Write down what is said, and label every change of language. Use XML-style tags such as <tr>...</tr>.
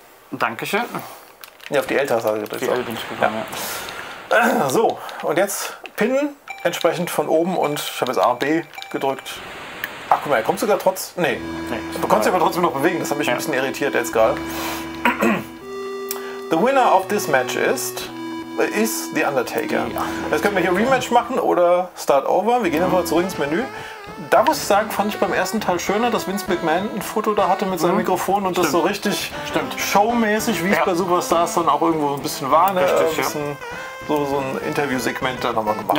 <de>Dankeschön. Ja, auf die L-Taste gedrückt. Die L bin ich gekommen, ja. So, und jetzt pinnen, entsprechend von oben, und ich habe jetzt A und B gedrückt. Ach, guck mal, er kommt sogar trotz... Nee. Du konntest dich aber trotzdem noch bewegen, das hat mich ein bisschen irritiert jetzt gerade.</de> <en>The winner of this match is The Undertaker.</en> <de>Ja. Jetzt können wir hier Rematch machen oder Start Over. Wir gehen einfach zurück ins Menü. Da muss ich sagen, fand ich beim ersten Teil schöner, dass Vince McMahon ein Foto da hatte mit seinem Mikrofon und das so richtig showmäßig, wie es bei Superstars dann auch irgendwo ein bisschen war. Ne? Richtig, So ein Interviewsegment da nochmal gemacht.</de>